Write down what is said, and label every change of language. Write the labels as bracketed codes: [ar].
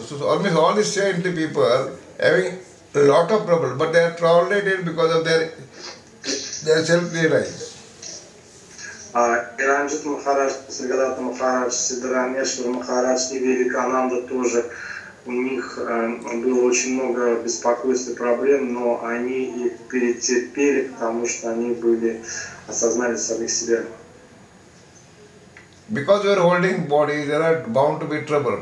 [en] So almost all these saintly people having a lot of problems, but they are tolerated it because of their self-realization. [ru] Ранджит Махарадж, Сидарамишар Махарадж, Сидарамишар Махарадж и Вивекананда тоже. У них было очень много беспокойств и проблем, но они их перетерпели, потому что они были осознали самих себя. [en] Because you are holding body, there are bound to be trouble.